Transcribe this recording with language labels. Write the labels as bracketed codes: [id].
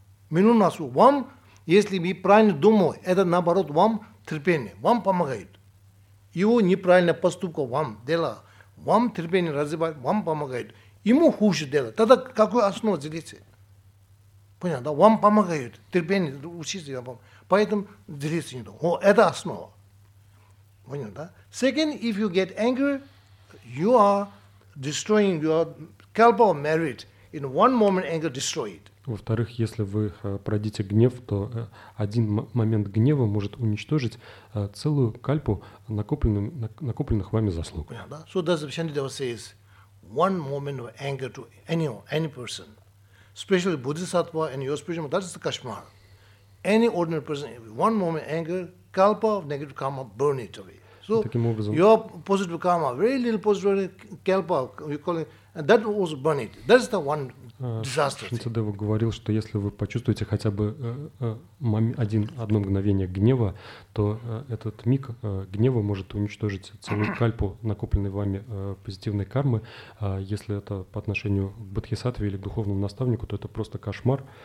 [ru] Минут нас, вам, если вы правильно думаете, это наоборот вам терпение, вам помогает. Его неправильная поступка вам дело, вам терпение развивает, вам помогает. Ему хуже дело. Тогда какой основа делится? Понятно, да? Вам помогают, терпение, учиться вам. Поэтому делиться не думаю. О, это основа. Понятно, да? [en] Second, if you get angry, you are destroying your kalpa of merit. In one moment anger destroyed. [ru] Во-вторых, если вы пройдите гнев, то один момент гнева может уничтожить целую кальпу накопленных вами заслуг. Понятно, да? [en] So that's what Shantideva says. One moment of anger to any person. Especially Bodhisattva and your spiritual, that is the Kashmar. Any ordinary person, one moment anger, kalpa of negative karma, burn it away. So your positive karma, very little positive kalpa, you call it, and that also burn it. That is the one disaster. [ru] Шинцедева говорил, что если вы почувствуете хотя бы одно мгновение гнева, то этот миг гнева может уничтожить целую кальпу накопленной вами позитивной кармы. Если это по отношению к бодхисаттве или к духовному наставнику, то это просто кошмар.